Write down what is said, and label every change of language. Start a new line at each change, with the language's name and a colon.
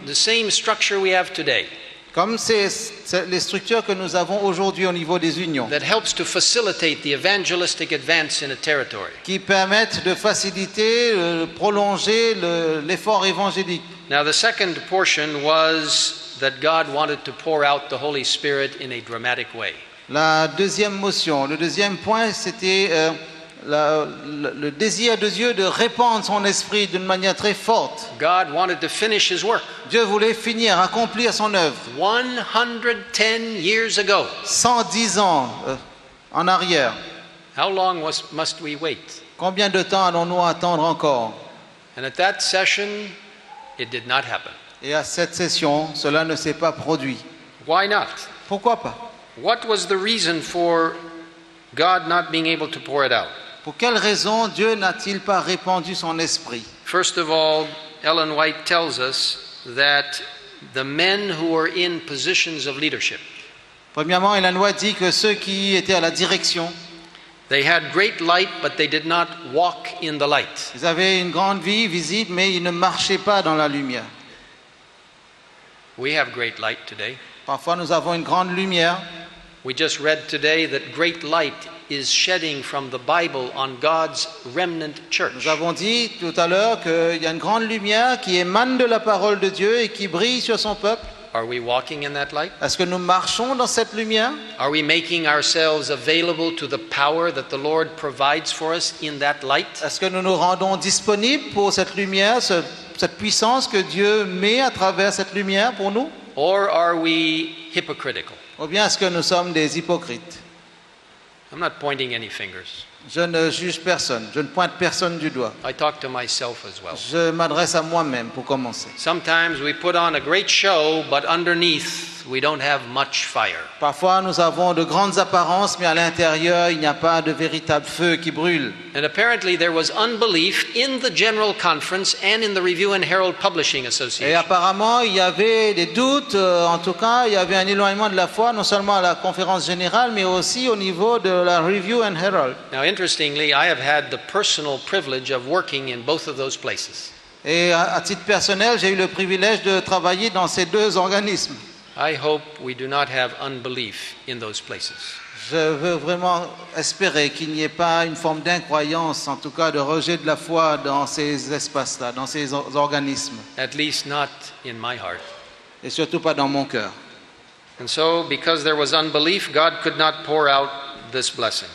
English: The same structure we have today.
French: Comme c'est les structures que nous avons aujourd'hui au niveau des unions.
English: That helps to facilitate the evangelistic advance in a territory.
French: Qui permettent de faciliter, prolonger l'effort évangélique.
English: Now the second portion was that God wanted to pour out the Holy Spirit in a dramatic way.
French: La deuxième motion, le deuxième point, c'était le désir de Dieu de répandre son esprit d'une manière très forte.
English: God wanted to finish his work.
French: Dieu voulait finir, accomplir son œuvre.
English: 110 years ago.
French: 110 ans en arrière.
English: How long must we wait?
French: Combien de temps allons-nous attendre encore?
English: And at that session, it did not happen.
French: Et à cette session, cela ne s'est pas produit.
English: Why not?
French: Pourquoi pas?
English: What was the reason for God not being able to pour it out?
French: Pour quelle raison Dieu n'a-t-il pas répandu son esprit?
English: First of all, Ellen White tells us that the men who were in positions of leadership.
French: Premièrement, Ellen White dit que ceux qui étaient à la direction.
English: They had great light, but they did not walk in the light.
French: Ils avaient une grande vie visible, mais ils ne marchaient pas dans la lumière.
English: We have great light today.
French: Parfois, nous avons une grande lumière.
English: We just read today that great light is shedding from the Bible on God's remnant church.
French: Nous avons dit tout à l'heure qu'il y a une grande lumière qui émane de la parole de Dieu et qui brille sur son peuple.
English: Are we walking in that light?
French: Est-ce que nous marchons dans cette lumière?
English: Are we making ourselves available to the power that the Lord provides for us in that light?
French: Est-ce que nous nous rendons disponibles pour cette lumière, cette puissance que Dieu met à travers cette lumière pour nous?
English: Or are we hypocritical?
French: Ou bien est-ce que nous sommes des hypocrites?
English: I'm not pointing any fingers.
French: Je ne juge personne, je ne pointe personne du doigt.
English: I talk to myself as well.
French: Je m'adresse à moi-même pour commencer.
English: Sometimes we put on a great show, but underneath we don't have much fire.
French: Parfois nous avons de grandes apparences, mais à l'intérieur il n'y a pas de véritable feu qui brûle.
English: And apparently there was unbelief in the General Conference and in the Review and Herald Publishing Association.
French: Et apparemment il y avait des doutes, en tout cas il y avait un éloignement de la foi, non seulement à la Conférence Générale, mais aussi au niveau de la Review and Herald.
English: Now interestingly, I have had the personal privilege of working in both of those places.
French: Et à titre personnel, j'ai eu le privilège de travailler dans ces deux organismes.
English: I hope we do not have unbelief in those places.
French: Je veux vraiment espérer qu'il n'y ait pas une forme d'incroyance, en tout cas de rejet de la foi dans ces espaces-là, dans ces organismes.
English: At least not in my heart.
French: Et surtout pas dans mon cœur.
English: And so, because there was unbelief, God could not pour out this blessing.